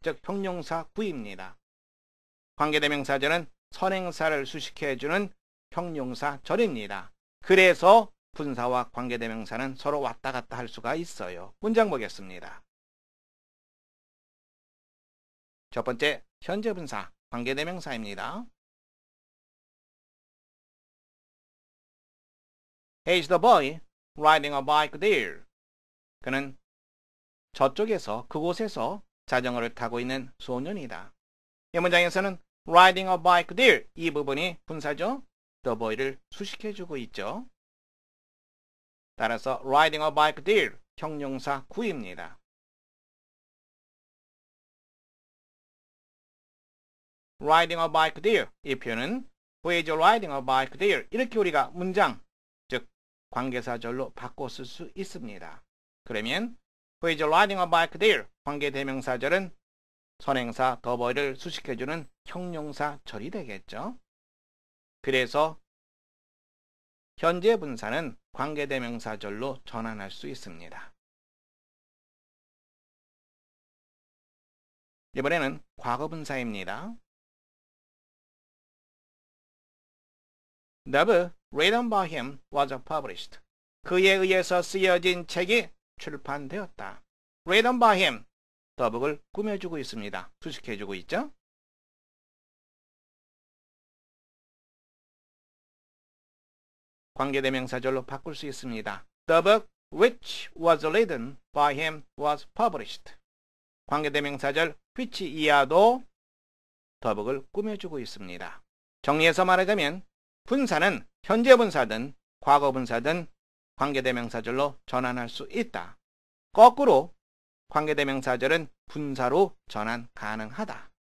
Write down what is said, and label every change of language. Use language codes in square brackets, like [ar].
[ko] 즉, 형용사구입니다. 관계대명사절은 선행사를 수식해주는 형용사절입니다. 그래서 분사와 관계대명사는 서로 왔다 갔다 할 수가 있어요. 문장 보겠습니다. 첫 번째, 현재분사, 관계대명사입니다. [en] He's the boy riding a bike there. [ko] 그는 저쪽에서, 그곳에서 자전거를 타고 있는 소년이다. 이 문장에서는 [en] riding a bike there [ko] 이 부분이 분사죠. The boy를 수식해주고 있죠. 따라서 [en] riding a bike there [ko] 형용사 구입니다. [en] riding a bike there [ko] 이 표현은 [en] who is riding a bike there [ko] 이렇게 우리가 문장, 즉 관계사절로 바꿔 쓸 수 있습니다. 그러면 [en] who is riding a bike there? [ko] 관계대명사절은 선행사 the boy를 수식해주는 형용사절이 되겠죠. 그래서 현재분사는 관계대명사절로 전환할 수 있습니다. 이번에는 과거분사입니다. [en] The book written by him was published. [ko] 그에 의해서 쓰여진 책이 출판되었다. [en] Written by him. [ko] The book을 꾸며주고 있습니다. 수식해주고 있죠? 관계대명사절로 바꿀 수 있습니다. [en] The book which was written by him was published. [ko] 관계대명사절 which 이하도 The book을 꾸며주고 있습니다. 정리해서 말하자면 분사는 현재분사든 과거분사든 관계대명사절로 전환할 수 있다. 거꾸로 관계대명사절은 분사로 전환 가능하다.